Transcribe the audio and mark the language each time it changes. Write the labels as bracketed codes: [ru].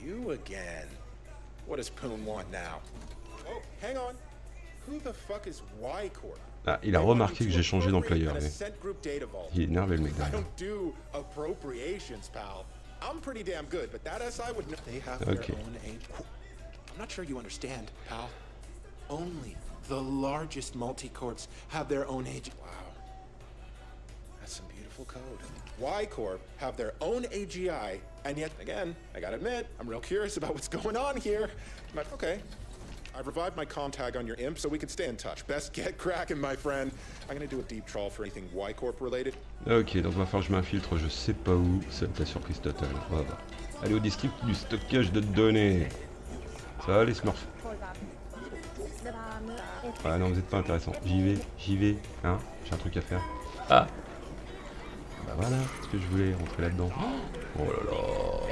[en] Again. What does Poon want now? Oh, hang on. Who the fuck is Y Corp? [fr] Ah, il a remarqué que j'ai changé d'employeur, mais... Il est énervé, le mec d'ailleurs. [en] I don't do appropriations, pal. I'm pretty damn good, but that SI would know... They have their own A-Corp. I'm not sure you understand, pal. Only the largest multi-corps have their own AG... Wow. That's some beautiful code. Y Corp have their own AGI, and yet again, I gotta admit, I'm real curious about what's going on here. But okay, I've revived my comm tag on your imp so we can stay in touch. Best get cracking, my friend. I'm gonna do a deep trawl for anything Y Corp related. [fr] Ok, donc va falloir que je m'infiltre, je sais pas où, ça me fait surprise totale. On va voir. Allez au district du stockage de données. Ça va, les smurfs? Ah non, vous êtes pas intéressant. J'y vais, hein, j'ai un truc à faire. Ah! Bah voilà ce que je voulais rentrer là-dedans. Oh là là.